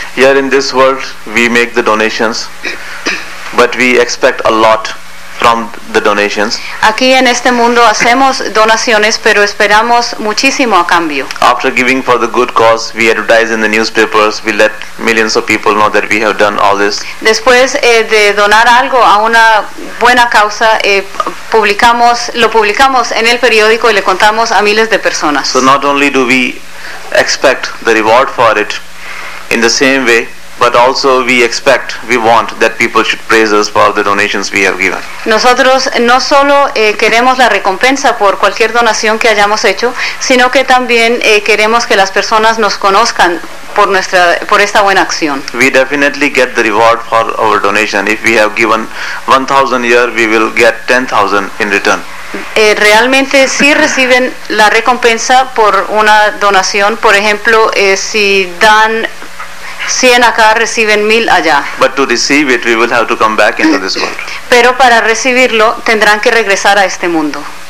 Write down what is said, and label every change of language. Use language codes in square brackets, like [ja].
[en] Here in this world we make the donations, but we expect a lot from the donations. [es] Aquí en este mundo hacemos donaciones, pero esperamos muchísimo a cambio. [en] After giving for the good cause, we advertise in the newspapers, we let millions of people know that we have done all this. [es] Después de donar algo a una buena causa, lo publicamos en el periódico y le contamos a miles de personas. [en] So not only do we expect the reward for it in the same way, but also we want that people should praise us for the donations we have given. [es] Nosotros no solo queremos la recompensa por cualquier donación que hayamos hecho, sino que también queremos que las personas nos conozcan por esta buena acción. [en] We definitely get the reward for our donation. If we have given 1,000 year, we will get 10,000 in return. [es] Realmente sí reciben la recompensa por una donación. Por ejemplo, si dan 100 acá reciben 1000 allá. [en] But to receive it, we will have to come back into this world. [es] Pero para recibirlo, tendrán que regresar a este mundo.